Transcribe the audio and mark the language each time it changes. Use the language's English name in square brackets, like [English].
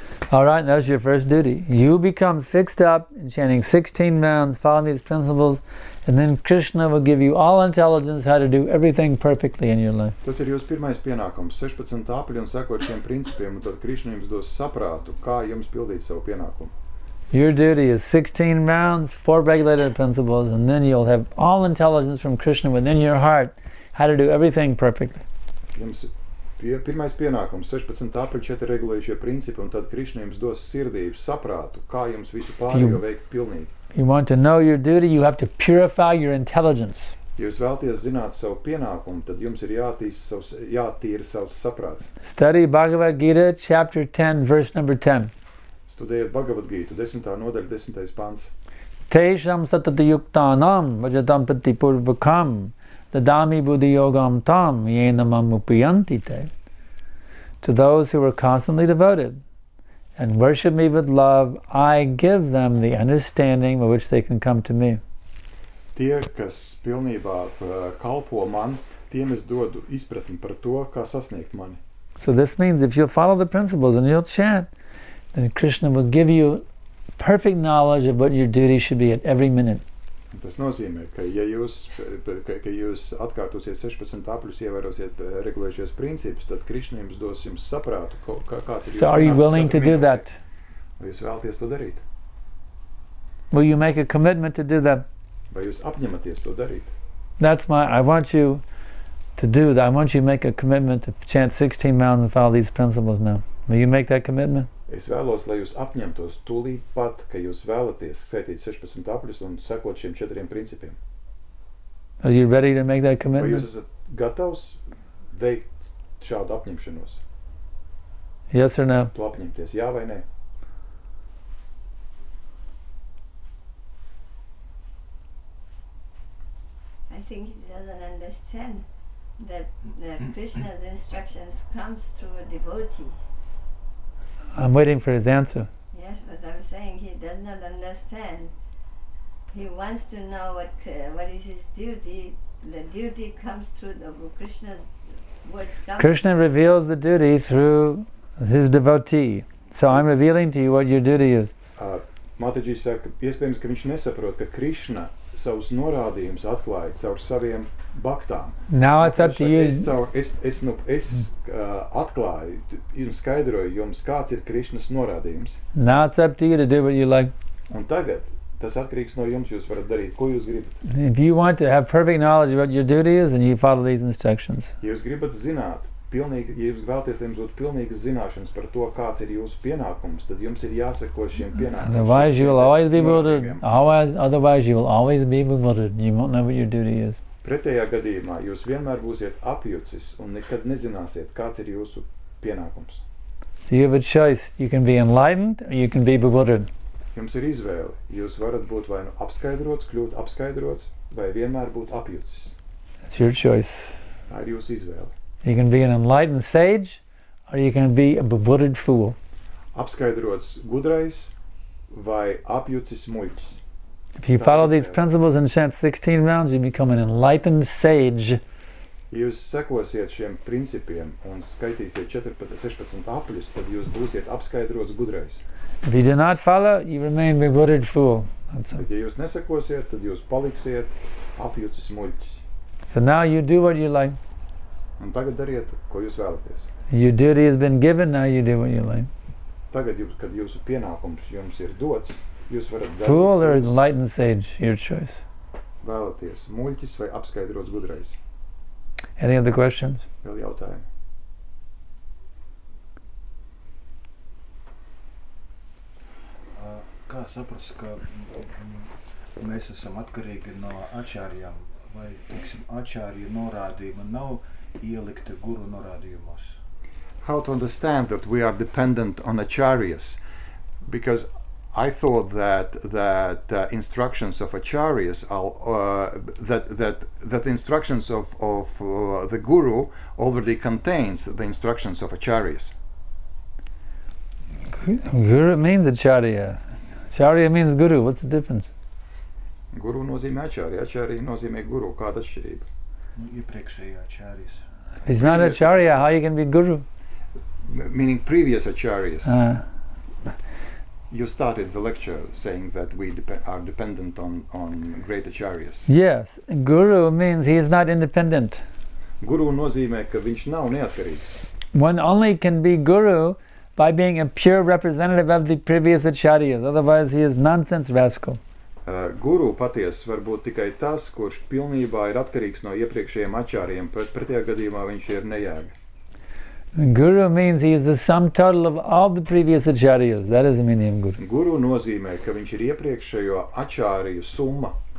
[English] All right, that's your first duty. You become fixed up in chanting 16 rounds, following these principles, and then Krishna will give you all intelligence how to do everything perfectly in your life. [Latvian] Tas ir jūsu pirmais pienākums, 16 apļi un sekot šiem principiem, un tad Krishna jums dos saprātu, kā jums pildīt savu pienākumu. [English] Your duty is 16 rounds, 4 regulated principles, and then you'll have all intelligence from Krishna within your heart how to do everything perfectly. [Latvian] Pirmais pienākums, 16 apļi, 4 regulējušie principi, un tad Krišna jums dos sirdību, saprātu, kā jums visu pārējo veikt pilnīgi. [English] You want to know your duty, you have to purify your intelligence. [Latvian] Jūs vēlties zināt savu pienākumu, tad jums ir jātīra savs saprāts. [English] Study Bhagavad Gita, chapter 10, verse number 10. [Latvian] Studējiet Bhagavad Gita, 10. nodaļa, 10. pants. [Sanskrit] Teisham satata yuktanam vajatam pati purvakam. Dadami buddhi yogam tam yenamam upiyanti te. [English] To those who are constantly devoted and worship me with love, I give them the understanding by which they can come to me. [Latvian] Tie, kas pilnībā kalpo man, tiem es dodu izpratni par to, kā sasniegt mani. [English] So this means if you'll follow the principles and you'll chant, then Krishna will give you perfect knowledge of what your duty should be at every minute. [Latvian] Tas nozīmē, ka ja jūs atkārtosiet 16 apļus, ievērosiet regulējušies principus, tad Krišna jums dos jums saprātu, kāds ir jūs. [English] So are you willing to do that? [Latvian] Vai jūs vēlaties to darīt? [English] Will you make a commitment to do that? [Latvian] Vai jūs apņematies to darīt? [English] That's my, I want you to do that. I want you to make a commitment to chant 16 rounds and follow these principles now. Will you make that commitment? [Latvian] Es vēlos, lai jūs apņemtos tūlīt pat, ka jūs vēlaties sētīt 16 apļus un sekot šiem četriem principiem. [English] Are you ready to make that commitment? [Latvian] Vai jūs esat gatavs veikt šādu apņemšanos? [English] Yes or no? [Latvian] To apņemties, jā vai nē? [English] I think he doesn't understand that the Krishna's instructions comes through a devotee. I'm waiting for his answer. Yes, but I'm saying he does not understand. He wants to know what is his duty. The duty comes through the Krishna's words. Krishna reveals the duty through his devotee. So I'm revealing to you what your duty is. [Latvian] Mataji saka, iespējams, ka viņš nesaprot, ka Krishna savus norādījumus atklāja caur saviem baktām. [English] Now it's up to you. [Latvian] Es atklāju un skaidroju jums, kāds ir Krišnas norādījums. [English] Now it's up to you to do what you like. [Latvian] Un tagad tas atkarīgs no jums, jūs varat darīt, ko jūs gribat. [English] If you want to have perfect knowledge of what your duty is, then you follow these instructions. [Latvian] Jūs gribat zināt, pilnīgi, ja jūs vēlaties, lai jums būtu pilnīgas zināšanas par to, kāds ir jūsu pienākums, tad jums ir jāseko šiem pienākumiem. [English] Otherwise you will always be bewildered. You won't know what your duty is. [Latvian] Pretējā gadījumā jūs vienmēr būsiet apjucis un nekad nezināsiet, kāds ir jūsu pienākums. [English] So you have a choice. You can be enlightened or you can be bewildered. [Latvian] Jums ir izvēle. Jūs varat būt vai nu apskaidrots, kļūt apskaidrots, vai vienmēr būt apjucis. [English] It's your choice. [Latvian] Tā ir jūsu izvēle. [English] You can be an enlightened sage or you can be a bewildered fool. [Latvian] Apskaidrots gudrais vai apjucis muļķis. [English] If you follow these principles and chant 16 rounds, you become an enlightened sage. [Latvian] Jūs sekosiet šiem principiem un skaitīsiet 16 apļus, tad jūs būsiet apskaidrots gudrais. [English] If you do not follow, you remain a bewildered fool. [Latvian] Ja jūs nesekosiet, tad jūs paliksiet apjucis muļķis. [English] So now you do what you like. [Latvian] Un tagad dariet, ko jūs vēlaties. [English] Your duty has been given, now you do what you like. [Latvian] Tagad, kad jūsu pienākums jums ir dots, jūs varat darīt... [English] Fool or enlightened sage, your choice. [Latvian] Vēlaties, muļķis vai apskaidrots gudrais? [English] Any other questions? [Latvian] Vēl jautājumi. Kā saprast, ka mēs esam atkarīgi no āčārijām? Vai, tiksim, āčāriju norādījuma nav ielikta guru norādījumos? [English] How to understand that we are dependent on acharyas? Because I thought that instructions of acharyas are that instructions of the guru already contains the instructions of acharyas. Guru means acharya. Acharya means guru. What's the difference? [Latvian] Guru nozīmē acharya. Acharya nozīmē guru. Kāda atšķirība? Iepriekšējā acharyas. [English] It's not acharya. How you can be guru? Meaning previous acharyas. You started the lecture saying that we are dependent on great acharyas. Yes, guru means he is not independent. [Latvian] Guru nozīmē, ka viņš nav neatkarīgs. [English] One only can be guru by being a pure representative of the previous acharyas. Otherwise, he is nonsense rascal. [Latvian] Guru paties var būt tikai tas, kurš pilnībā ir atkarīgs no iepriekšējiem acharyiem, pretējā gadījumā viņš ir nejēga. [English] Guru means he is the sum total of all the previous acharyas. That is the meaning of guru. [Latvian] Guru nozīmē, ka viņš ir iepriekšējo acharyu summa.